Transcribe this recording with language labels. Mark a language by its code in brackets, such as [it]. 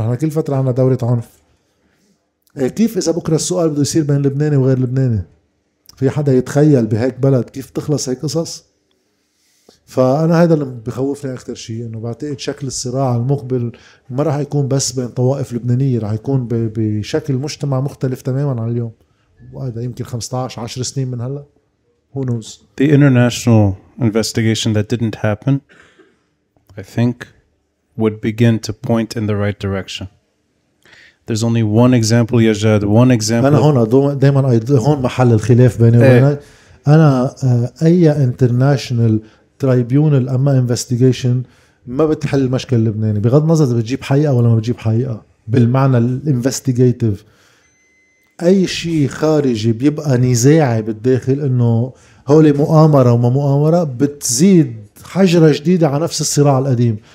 [ar] نحن كل فترة عنا دورة عنف. كيف إذا بكرة السؤال بده يصير بين لبناني وغير لبناني؟ في حدا يتخيل بهيك بلد كيف تخلص هيك قصص؟ فأنا هذا اللي بخوفني أكثر شيء، إنه بعتقد شكل الصراع المقبل ما راح يكون بس بين طوائف لبنانية، راح يكون بشكل مجتمع مختلف تماماً عن اليوم. وهذا يمكن 15 10 سنين من هلا. [en] Who knows? The international investigation that didn't happen, I think, would begin to point in the right direction. There's only one example, Yajad, one example. [ar] أنا هون دائما هون محل الخلاف بيني وبينك. أنا أي [en] international tribunal [ar] أما [en] investigation [ar] ما بتحل المشكلة اللبناني، بغض النظر إذا بتجيب حقيقة ولا ما بتجيب حقيقة بالمعنى الانفستيجيتيف. أي شيء خارجي بيبقى نزاعي بالداخل، إنه هولي مؤامرة وما مؤامرة، بتزيد حجرة جديدة على نفس الصراع القديم.